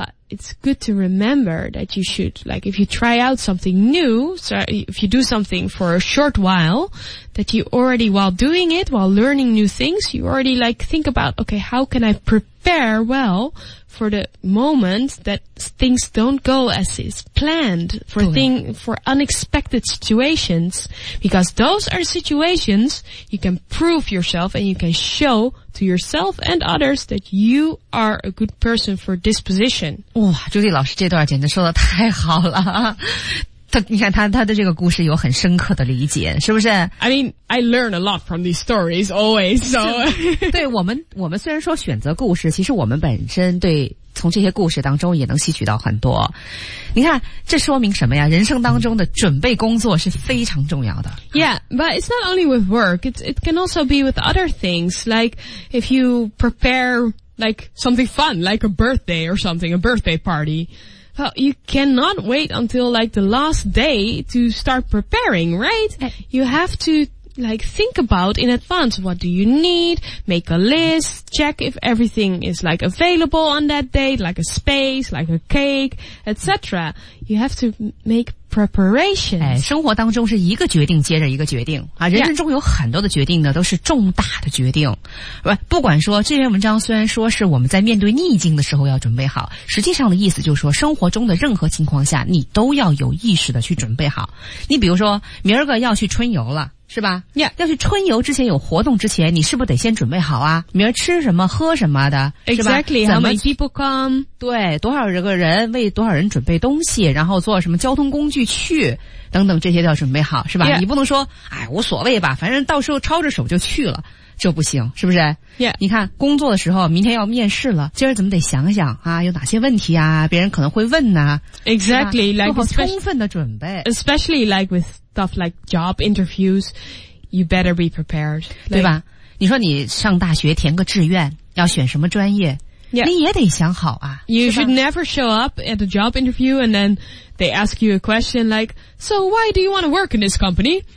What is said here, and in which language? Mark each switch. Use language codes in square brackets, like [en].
[en] It's good to remember that you should, like, if you try out something new, so if you do something for a short while, that you already, while doing it, while learning new things, you already, like, think about, okay, how can I prepare well for the moment that things don't go as is planned for for unexpected situations, because those are situations you can prove yourself and you can show to yourself and others that you are a good person for this position. [zh] 哇，朱莉老师这段简直说的太好了。他的这个故事有很深刻的理解，是不是？ [en] I mean, I learn a lot from these stories always, so. [zh] 对，我们虽然说选择故事，其实我们本身对从这些故事当中也能吸取到很多。你看，这说明什么呀？人生当中的准备工作是非常重要的。 [en] Yeah, but it's not only with work, it can also be with other things, like if you prepare like something fun, like a birthday or something, a birthday party. Well, you cannot wait until like the last day to start preparing, right? You have to like think about in advance, what do you need, make a list, check if everything is like available on that date, like a space, like a cake, etc. You have to make preparations. [zh] 哎，生活当中是一个决定接着一个决定啊，人生中有很多的决定呢，都是重大的决定。不管说这篇文章虽然说是我们在面对逆境的时候要准备好，实际上的意思就是说，生活中的任何情况下，你都要有意识的去准备好。你比如说，明儿个要去春游了。是吧？ [en] Yeah. [zh] 要去春游之前有活动之前，你是不是得先准备好啊？明儿吃什么喝什么的， [en] exactly, [zh] 是吧？ [en] How many people come? [zh] 对，多少个人为多少人准备东西，然后坐什么交通工具去，等等，这些都要准备好，是吧？ [en] Yeah. [zh] 你不能说，哎，无所谓吧，反正到时候抄着手就去了。这不行，是不是？ [en] Yeah. [zh] 你看工作的时候明天要面试了，今儿怎么得想想啊，有哪些问题啊，别人可能会问啊。 [en] Exactly, like, [zh] 做好充分的准备。 [en] Especially like with stuff like job interviews, you better be prepared. Like, [zh] 对吧？你说你上大学填个志愿，要选什么专业？ [en] Yeah. [zh] 你也得想好啊。 [en] You should never show up at a job interview and then they ask you a question like, so why do you want to work in this company?